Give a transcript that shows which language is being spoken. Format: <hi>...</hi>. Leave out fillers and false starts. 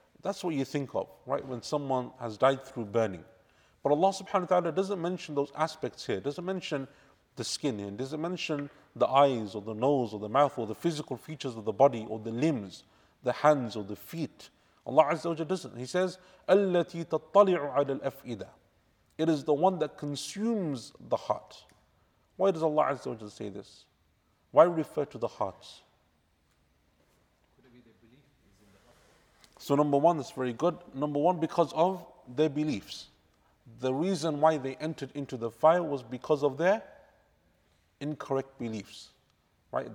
<en>That's what you think of, right? When someone has died through burning. But Allah subhanahu wa ta'ala doesn't mention those aspects here. Doesn't mention the skin here. Doesn't mention the eyes or the nose or the mouth or the physical features of the body or the limbs, the hands or the feet. Allah Azza wa Jalla doesn't. He says,</en> <ar>أَلَّتِي تَطَّلِعُ عَلَى الْأَفْئِدَةِ.</ar> <en>It is the one that consumes the heart. Why does Allah Azza wa Jalla say this? Why refer to the hearts? So number one, that's very good. Number one, because of their beliefs. The reason why they entered into the fire was because of their incorrect beliefs, right?</en>